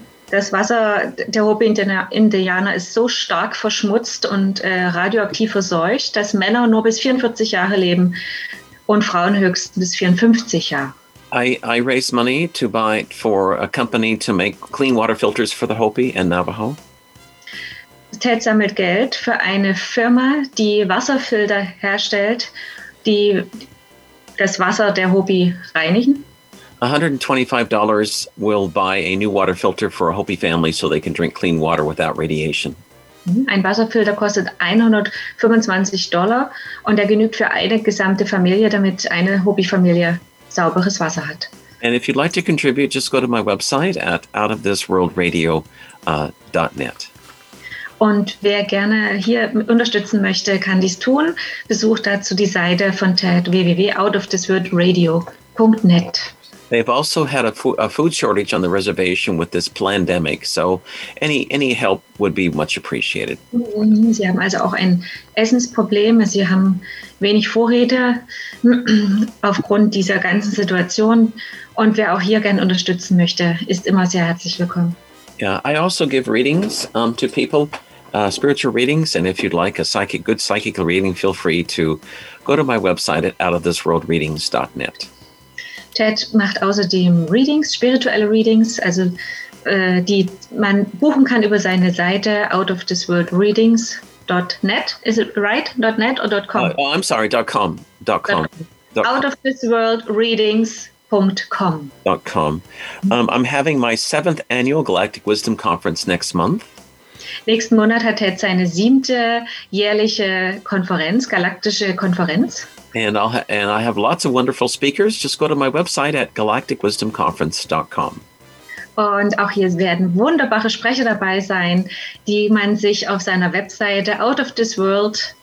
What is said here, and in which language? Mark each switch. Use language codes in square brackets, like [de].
[de] Das Wasser der Hopi Indianer ist so stark verschmutzt und radioaktiv verseucht, dass Männer nur bis 44 Jahre leben und Frauen höchstens bis 54 Jahre. [en] I raise money to buy for a company to make clean water filters for the Hopi and Navajo. [de] Ted sammelt Geld für eine Firma, die Wasserfilter herstellt, die das Wasser der Hopi reinigen. [en] $125 will buy a new water filter for a Hopi family so they can drink clean water without radiation. [de] Ein Wasserfilter kostet $125 und er genügt für eine gesamte Familie, damit eine Hopi-Familie sauberes Wasser hat. [en] And if you'd like to contribute, just go to my website at outofthisworldradio.net. [de] Und wer gerne hier unterstützen möchte, kann dies tun. Besucht dazu die Seite von Ted, www.outofthisworldradio.net. [en] They've also had a food shortage on the reservation with this pandemic, so any help would be much appreciated. [de] Sie haben also auch ein Essensproblem. Sie haben wenig Vorräte aufgrund dieser ganzen Situation. Und wer auch hier gerne unterstützen möchte, ist immer sehr herzlich willkommen. [en] Yeah, I also give readings to people, spiritual readings, and if you'd like a good psychical reading, feel free to go to my website at outofthisworldreadings.net. [de] Ted macht außerdem Readings, spirituelle Readings, also die man buchen kann über seine Seite outofthisworldreadings.net. [en] Is it right? .net or .com? Oh, I'm sorry, .com. .com. Outofthisworldreadings.com. .com. I'm having my 7th annual Galactic Wisdom Conference next month. [de] Nächsten Monat hat Ted seine 7. jährliche Konferenz, galaktische Konferenz. [en] And I have lots of wonderful speakers. Just go to my website at galacticwisdomconference.com. [de] Und auch hier werden wunderbare Sprecher dabei sein, die man sich auf seiner Webseite Out of This World